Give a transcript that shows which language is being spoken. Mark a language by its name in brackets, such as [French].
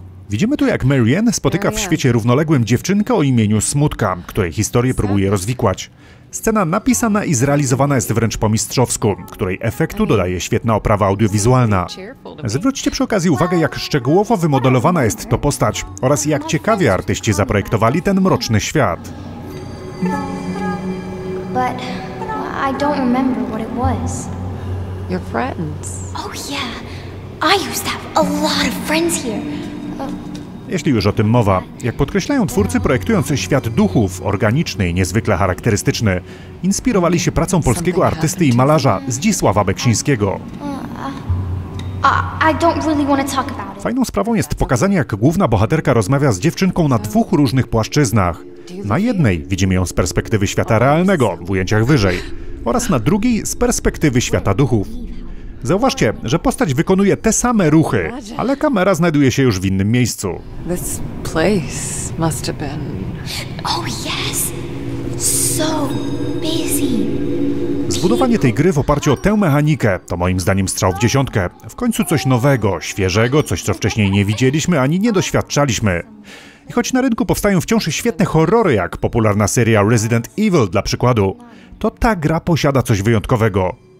[Polish] Widzimy tu, jak Marianne spotyka w świecie równoległym dziewczynkę o imieniu Smutka, której historię próbuje rozwikłać. Scena napisana i zrealizowana jest wręcz po mistrzowsku, której efektu dodaje świetna oprawa audiowizualna. Zwróćcie przy okazji uwagę, jak szczegółowo wymodelowana jest to postać oraz jak ciekawie artyści zaprojektowali ten mroczny świat. [English] I don't remember what it was. Your friends. Oh yeah, I used to have a lot of friends here. [Polish] Jeśli już o tym mowa, jak podkreślają twórcy projektujący świat duchów, organiczny i niezwykle charakterystyczny, inspirowali się pracą polskiego artysty i malarza Zdzisława Beksińskiego. [English] I don't really want to talk about it. [Polish] Fajną sprawą jest pokazanie, jak główna bohaterka rozmawia z dziewczynką na dwóch różnych płaszczyznach. Na jednej widzimy ją z perspektywy świata realnego, w ujęciach wyżej, oraz na drugiej z perspektywy świata duchów. Zauważcie, że postać wykonuje te same ruchy, ale kamera znajduje się już w innym miejscu. [English] This place must have been... Oh yes! So busy! [Polish] Zbudowanie tej gry w oparciu o tę mechanikę to moim zdaniem strzał w dziesiątkę. W końcu coś nowego, świeżego, coś co wcześniej nie widzieliśmy ani nie doświadczaliśmy. I choć na rynku powstają wciąż świetne horrory, jak popularna seria Resident Evil dla przykładu, to ta gra posiada coś wyjątkowego.